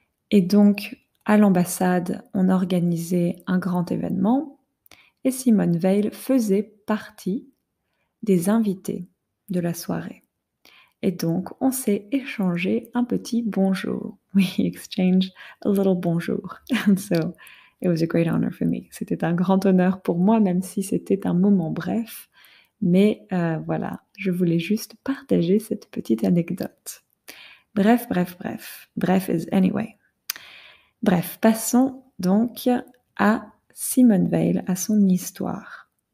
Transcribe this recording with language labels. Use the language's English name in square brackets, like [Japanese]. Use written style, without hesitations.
[French] Et donc, à l'ambassade, on organisait un grand événement et Simone Veil faisait partie des invités de la soirée. Et donc, on s'est échangé un petit bonjour. [English] We exchanged a little bonjour. And so, it was a great honor for me. [French] C'était un grand honneur pour moi, même si c'était un moment bref. Mais voilà, je voulais juste partager cette petite anecdote. Bref. Bref [English] is anyway. [French] Bref, passons donc à Simone Veil, à son histoire.